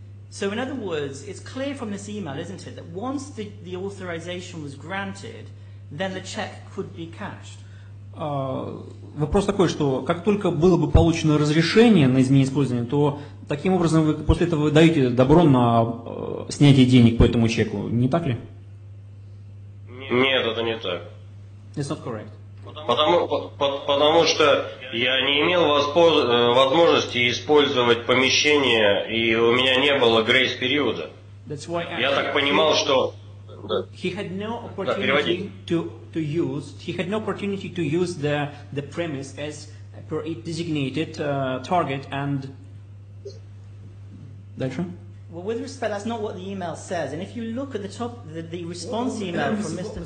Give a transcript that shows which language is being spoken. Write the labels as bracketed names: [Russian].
[English] So in other words, it's clear from this email, isn't it, that once the authorization was granted, then the check could be cashed. [Russian] Вопрос такой, что как только было бы получено разрешение на изменение использования, то таким образом вы после этого даете добро на снятие денег по этому чеку, не так ли? Нет, это не так. [English] It's not correct. [Russian] Потому что я не имел возможности использовать помещение, и у меня не было грейс-периода. Я так понимал, что... [English] He had no opportunity to use the premise as per it designated target and... [Russian] Дальше? [English] Well, with respect, that's not what the email says. And if you look at the top, the response email from Mr.